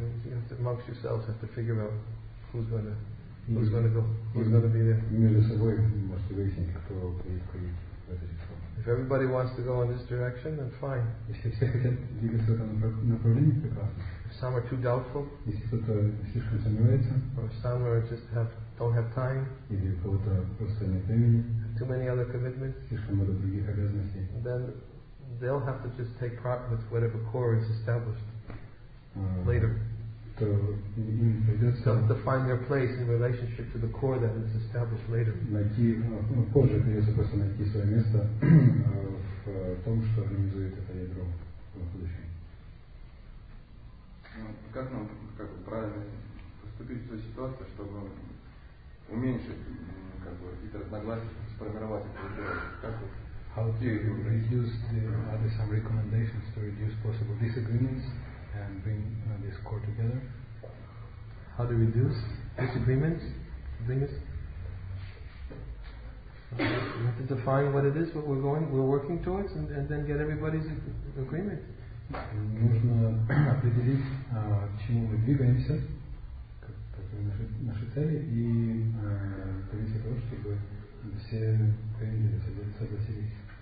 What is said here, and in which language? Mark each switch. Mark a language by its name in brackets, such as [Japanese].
[English] You have to amongst yourselves have to figure out who's going to be there. [Russian] Между собой можете выяснить, кто будет ходить в это число. [English] If everybody wants to go in this direction, then fine. [Russian] Если все хотят двигаться в этом направлении, прекрасно. [English] If some are too doubtful, [Russian] если кто-то слишком сомневается, [English] or some are just don't have time, [Russian] или у кого-то просто нет времени, [English] too many other commitments, [Russian] слишком много других обязанностей, [English] then they'll have to just take part with whatever core is established. later. So, to find their place in relationship to the core that is established later. [Russian] Найти позже придется просто найти свое место в том, что организует это ядро в будущем. Как нам как бы правильно поступить в той ситуации, чтобы уменьшить как бы какие-то разногласия, сформировать это ядро? Как вот? [English] How to reduce the, are there some recommendations to reduce possible disagreements and bring this core together? How to reduce disagreements? Bring we have to define what it is, what we're going, we're working towards, and then get everybody's agreement. [Russian] Нужно определить, к чему мы двигаемся, какие наши цели, и добиться того, чтобы все согласились.